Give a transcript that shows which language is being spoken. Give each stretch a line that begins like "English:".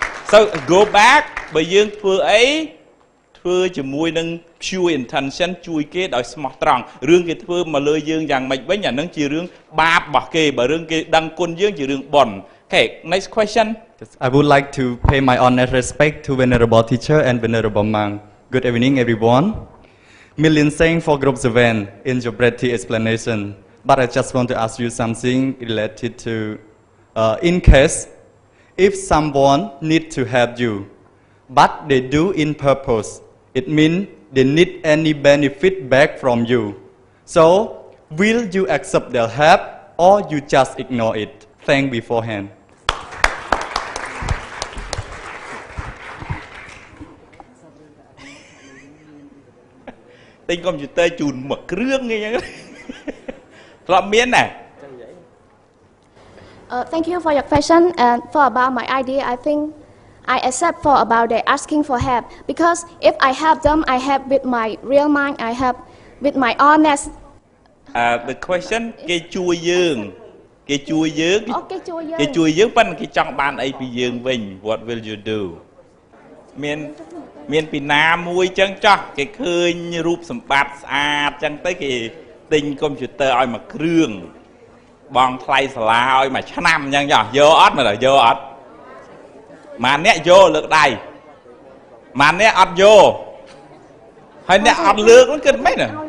English: So go back
Khmer: បើយើងធ្វើអីធ្វើជាមួយនឹង
English: pure intention
Khmer: ជួយគេដោយស្មោះត្រង់រឿងគេធ្វើមកលើយើងយ៉ាងម៉េចវិញអានឹងជារឿងបាបរបស់គេបើរឿងគេដឹងគុណយើងជារឿងបុណ្យ
English: Okay next question I would like to pay my honest respect to venerable teacher and venerable monk Good evening everyone Million thanks for group seven in your breathy explanation but I just want to ask you something related to in case if someone need to help you but they do in purpose it mean they need any benefit back from you so will you accept their help or you just ignore it thank beforehand
Khmer: ទិញកុំព្យូទ័រជូនមួយគ្រឿងអីចឹងធ្លាប់មានណា
English: Thank you for your question and for about my idea. I think I accept for about they asking for help because if I help them, I help with my real mind. I help with my honest. The question
Khmer: គេជួយយើងគេជួយយើង គេ ជួយយើងប៉ុន្តែគេចង់បានអីពីយើងវិញ
English: What will you do?
Khmer: មានពីណាមួយចឹងចោះគេឃើញរូបសម្បត្តិស្អាតចឹងទៅគេទិញកុំព្យូទ័រឲ្យមកគ្រឿងបងថ្លៃសាលាឲ្យមួយឆ្នាំអញ្ចឹងចុះយកអត់មើលយកអត់ម៉ាអ្នកយកលើកដៃម៉ាអ្នកអត់យកហើយអ្នកអត់លើកគិតមិនណា